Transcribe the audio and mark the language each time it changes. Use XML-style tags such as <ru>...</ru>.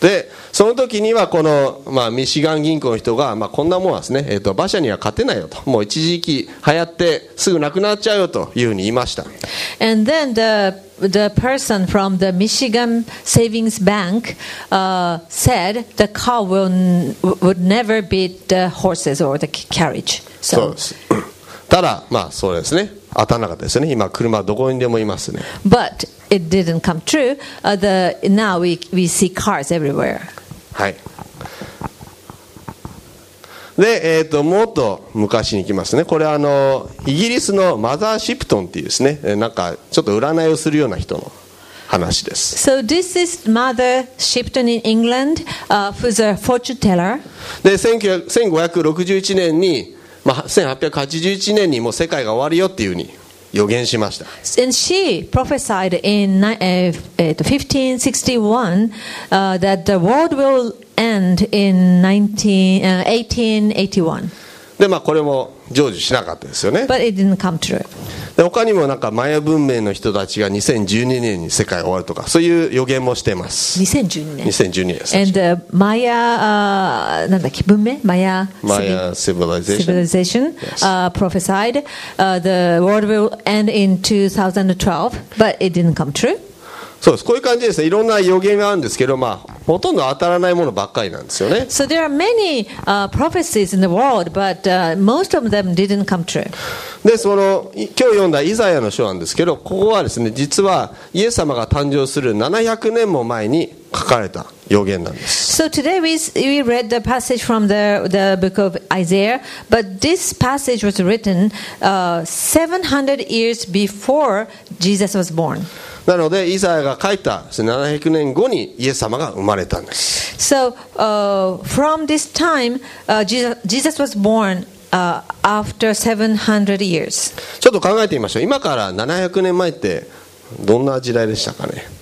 <ja>で、その時にはこの、まあ、ミシガン銀行の人が、まあ、こんなもんはですね、馬車には勝てないよと、もう一時期流行ってすぐなくなっちゃうよというふうに言いました。</ja> <en>And then the person from the Michigan Savings Bank said the car would never beat the horses or the carriage.</en> <ja>So, そうです。ただ、まあそうですね。当たらなかったですね。今車どこにでもいますね。</ja> <en>But it didn't come true. Now we see cars everywhere.</en> <ja>はい。で、もっと昔に行きますね。これはイギリスのマザーシプトンっていうですね、なんかちょっと占いをするような人の話です。</ja> <en>So this is Mother Shipton in England, who's a fortune teller.</en> <ja>で、1561年に、まあ、1881年にもう世界が終わるよっていうふうに予言しました。</ja> <en>And she prophesied in 1561 that the world will end in 1881.</en> <ja>で、まあ、これも成就しなかったですよね。</ja> <en>But it didn't come true.</en> <ja>で、他にもなんかマヤ文明の人たちが2012年に世界が終わるとか、そういう予言もしています。 2012年です。And マヤ、なんだっけ、文明？マヤ</ja> <en>civilization、 yes. prophesied the world will end in 2012, but it didn't come true.</en> <ja>そうです。こういう感じですね。いろんな予言があるんですけど、まあ、ほとんど当たらないものばっかりなんですよね。</ja> <en>So there are many, prophecies in the world, but, most of them didn't come true.</en> <ja>で、その、今日読んだイザヤの書なんですけど、ここはですね、実はイエス様が誕生する700年も前に書かれた予言なんです。</ja> <en>So today we read the passage from the book of Isaiah, but this passage was written, 700 years before Jesus was born.</en> <ja>なのでイザヤが書いた700年後にイエス様が生まれたんです。</ja> <en>So, from this time, Jesus was born, after 700 years.</en> <ja>ちょっと考えてみましょう。今から700年前ってどんな時代でしたかね。</ja>